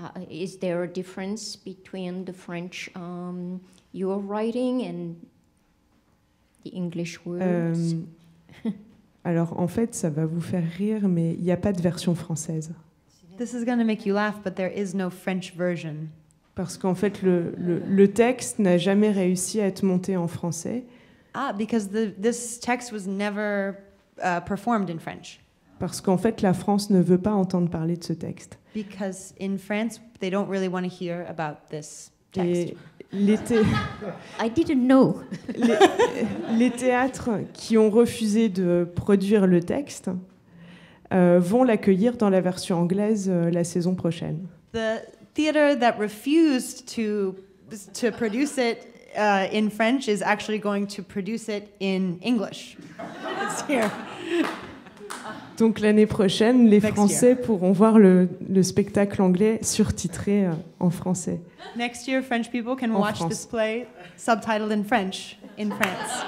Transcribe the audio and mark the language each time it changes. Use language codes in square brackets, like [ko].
[en] Is there a difference between the French your writing and the English words? [fr] Alors, en fait, ça va vous faire rire, mais il n'y a pas de version française. [en] This is going to make you laugh, but there is no French version. [fr] Parce qu'en fait, le texte n'a jamais réussi à être monté en français. [en] Ah, because this text was never performed in French. [fr] Parce qu'en fait, la France ne veut pas entendre parler de ce texte. [en] Because in France, they don't really want to hear about this text. [fr] Et l'été... [en] I didn't know. [fr] Les théâtres qui ont refusé de produire le texte vont l'accueillir dans la version anglaise la saison prochaine. [en] The theater that refused to produce it in French is actually going to produce it in English. It's here. [fr] Donc l'année prochaine, les Français pourront voir le spectacle anglais surtitré en français. [en] Next year, French people can watch this play subtitled in French in France.